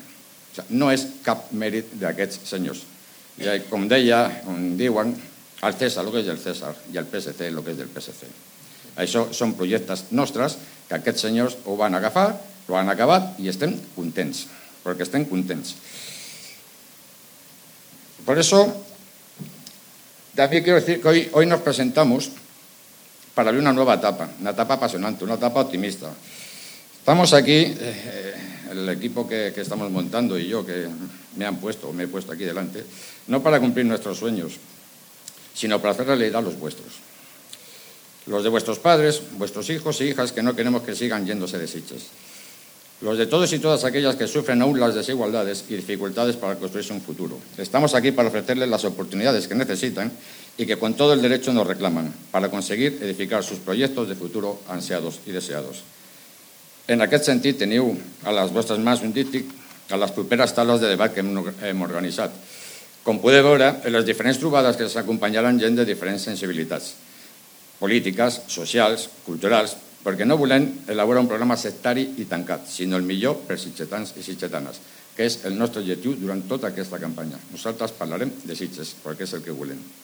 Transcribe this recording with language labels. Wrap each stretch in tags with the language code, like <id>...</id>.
<ca>O sigui, no és cap mèrit d'aquests senyors. I com deia, on diuen, el César, el que és el César, i el PSC, el que és el PSC. Això són projectes nostres que aquests senyors ho van agafar, ho han acabat, i estem contents, perquè estem contents.</ca> <es>Por eso, también quiero decir que hoy nos presentamos para abrir una nueva etapa, una etapa apasionante, una etapa optimista. Estamos aquí, el equipo que estamos montando y yo, que me han puesto, me he puesto aquí delante, no para cumplir nuestros sueños, sino para hacer realidad los vuestros. Los de vuestros padres, vuestros hijos e hijas que no queremos que sigan yéndose de Sitges. Los de todos y todas aquellas que sufren aún las desigualdades y dificultades para construirse un futuro. Estamos aquí para ofrecerles las oportunidades que necesitan y que con todo el derecho nos reclaman para conseguir edificar sus proyectos de futuro ansiados y deseados. En aquel sentido, teniu a las vuestras más indicadas, a las primeras talas de debate que hemos organizado. Como puede ver, en las diferentes trubadas que se acompañarán, gente de diferentes sensibilidades políticas, sociales, culturales,</es> <ca>perquè no volem elaborar un programa sectari i tancat, sinó el millor per sitxetans i sitxetanes, que és el nostre objectiu durant tota aquesta campanya. Nosaltres parlarem de Sitges, perquè és el que volem.</ca>